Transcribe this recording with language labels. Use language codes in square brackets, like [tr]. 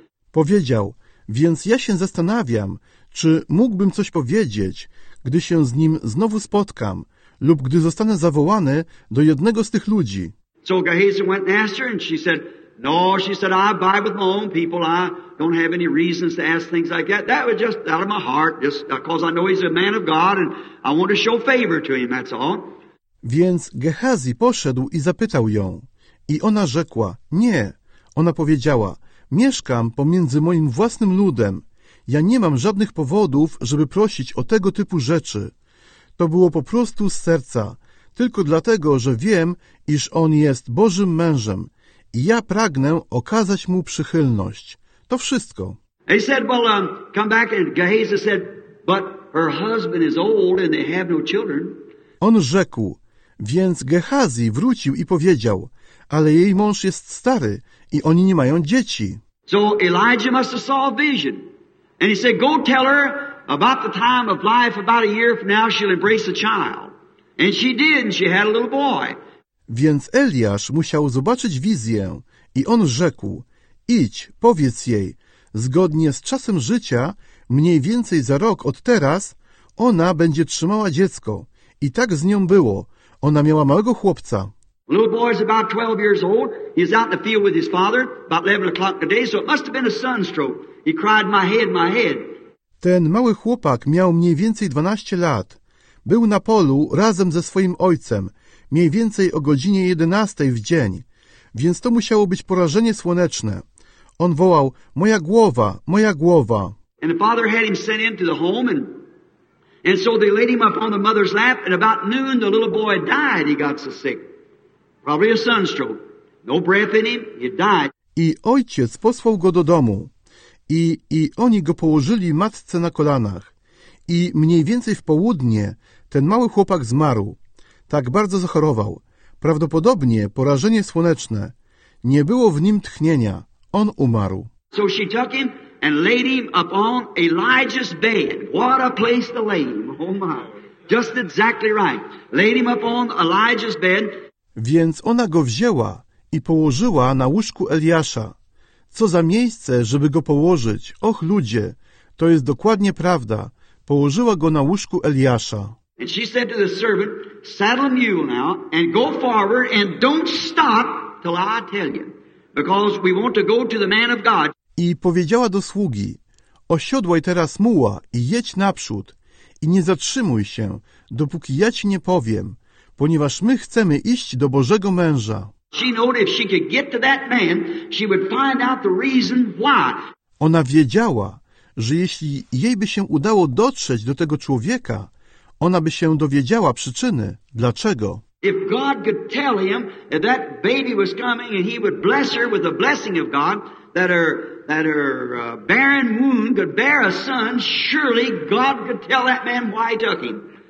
[pl] Powiedział, więc ja się zastanawiam, czy mógłbym coś powiedzieć, gdy się z nim znowu spotkam, lub gdy zostanę zawołany do jednego z tych ludzi. [en] So Gehazi went and asked her, and she said, no, she said, I abide with my own people. I don't have any reasons to ask things like that. That was just out of my heart, just because I know he's a man of God, and I want to show favor to him, that's all. [pl] Więc Gehazi poszedł i zapytał ją. I ona rzekła, nie. Ona powiedziała, mieszkam pomiędzy moim własnym ludem. Ja nie mam żadnych powodów, żeby prosić o tego typu rzeczy. To było po prostu z serca, tylko dlatego, że wiem, iż on jest Bożym mężem i ja pragnę okazać mu przychylność. To wszystko. [en] He said, well, come back, and Gehazi said, but her husband is old and they have no children. [pl] On rzekł, więc Gehazi wrócił i powiedział, ale jej mąż jest stary i oni nie mają dzieci. [en] So Elijah must have saw a vision. And he said, go tell her, about the time of life, about a year from now, she'll embrace a child. And she did, and she had a little boy. [pl] Więc Eliasz musiał zobaczyć wizję i on rzekł, idź, powiedz jej, zgodnie z czasem życia, mniej więcej za rok od teraz, ona będzie trzymała dziecko. I tak z nią było. Ona miała małego chłopca. [en] Little boy is about 12 years old. He's out in the field with his father, about 11 o'clock today, so it must have been a sunstroke. He cried, my head, my head. [pl] Ten mały chłopak miał mniej więcej 12 lat. Był na polu razem ze swoim ojcem, mniej więcej o godzinie 11 w dzień. Więc to musiało być porażenie słoneczne. On wołał, moja głowa, moja głowa. [en] And the father had him sent into the home, and so they laid him up on the mother's lap, and about noon the little boy died, he got so sick. Probably a sunstroke. No breath in him, he died. [pl] I ojciec posłał go do domu. I oni go położyli matce na kolanach. I mniej więcej w południe ten mały chłopak zmarł. Tak bardzo zachorował. Prawdopodobnie porażenie słoneczne. Nie było w nim tchnienia. On umarł. [en] So she took him and laid him upon Elijah's bed. What a place to lay him. Oh my. Just exactly right. Laid him upon Elijah's bed. [pl] Więc ona go wzięła i położyła na łóżku Eliasza. Co za miejsce, żeby go położyć. Och, ludzie, to jest dokładnie prawda. Położyła go na łóżku Eliasza. [en] And she said to the servant, saddle a mule now and go forward and don't stop till I tell you, because we want to go to the man of God. [pl] I powiedziała do sługi, osiodłaj teraz muła i jedź naprzód i nie zatrzymuj się, dopóki ja ci nie powiem, ponieważ my chcemy iść do Bożego męża. [en] She knew if she could get to that man, she would find out the reason why. [pl] Ona wiedziała, że jeśli jej by się udało dotrzeć do tego człowieka, ona by się dowiedziała przyczyny, dlaczego. [en] If God could tell him that that baby was coming and he would bless her with the blessing of God, that her barren womb could bear a son, surely God could tell that man why he took him.